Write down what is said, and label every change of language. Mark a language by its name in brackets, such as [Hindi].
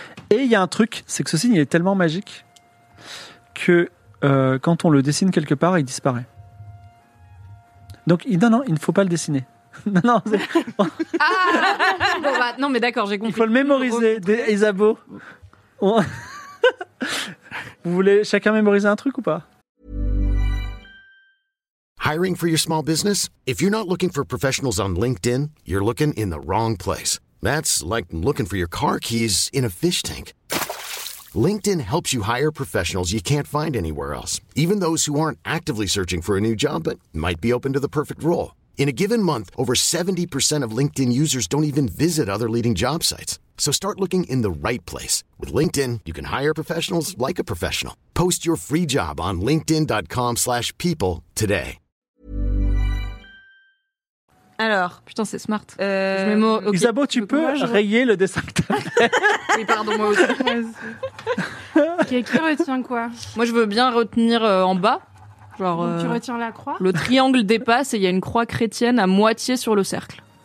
[French] Et il y a un truc, c'est que ce signe, il est tellement magique que quand on le dessine quelque part, il disparaît. Donc, il ne faut pas le dessiner. Non, c'est... Ah! Non, mais d'accord, j'ai compris. Il faut le mémoriser, Isabeau. Vous voulez chacun mémoriser un truc ou pas? [English] Hiring for your small business? If you're not looking for professionals on LinkedIn, you're looking in the wrong place. That's like looking for your car keys in a fish tank. LinkedIn helps you hire professionals you can't find anywhere else, even those who aren't actively searching for a new job but might be open to the perfect role. In a given month, over 70% of LinkedIn users don't even visit other leading job sites. So start looking in the right place. With LinkedIn, you can hire professionals like a professional. Post your free job on linkedin.com/people today. [French] Alors, putain, c'est smart. Okay. Isabeau, tu peux rayer le dessin que t'as fait. Oui, pardon, moi aussi. Okay, qui retient quoi? Moi, je veux bien retenir en bas. Genre, donc, tu retiens la croix? Le triangle dépasse et il y a une croix chrétienne à moitié sur le cercle.